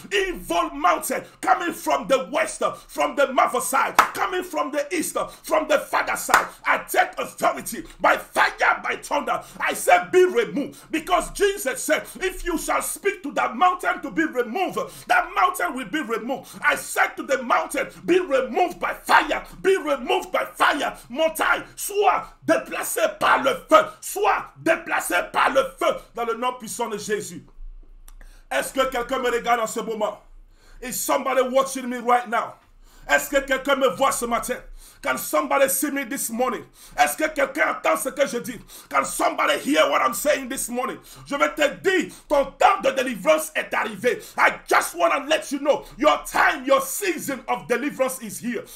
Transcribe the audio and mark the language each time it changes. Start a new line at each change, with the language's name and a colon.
English: Evil mountain coming from the west, from the mother side, coming from the east, from the father side. I take authority by fire, by thunder. I say be removed, because Jesus said, if you shall speak to that mountain to be removed, that mountain will be removed. I said to the mountain, be removed by fire, be removed by fire.
French: Montagne, sois déplacé par le feu, sois déplacé par le feu dans le nom puissant de Jésus. Est-ce que quelqu'un me regarde en ce moment?
English: Is somebody watching me right now?
French: Est-ce que quelqu'un me voit ce matin?
English: Can somebody see me this morning?
French: Est-ce que quelqu'un entend ce que je dis?
English: Can somebody hear what I'm saying this morning?
French: Je vais te dire, ton temps de délivrance est arrivé.
English: I just want to let you know, your time, your season of deliverance is here.